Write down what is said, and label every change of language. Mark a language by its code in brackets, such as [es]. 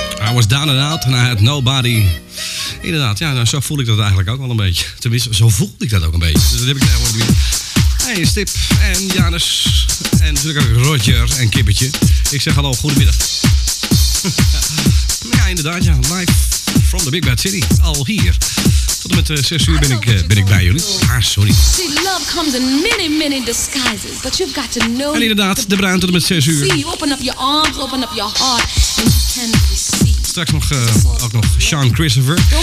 [en] I was down and out and I had nobody. [nl] Inderdaad, ja, nou, zo voel ik dat eigenlijk ook wel een beetje. Tenminste, zo voelde ik dat ook een beetje. Dus dat heb ik daar weer. Hey, Stip en Janus. En natuurlijk ook Roger en Kippertje. Ik zeg hallo, goedemiddag. Ja, inderdaad, ja, [en] live from the Big Bad City. [nl] Al hier. Tot en met 6 uur ben ik bij jullie. Ah, sorry. [en] See, love comes in many, many disguises, but you've got to know. [nl] En inderdaad, de Bruin tot en met 6 uur. [en] See, open up your arms, open up your heart, and you can receive. [nl] Straks nog, ook nog Sean Christopher.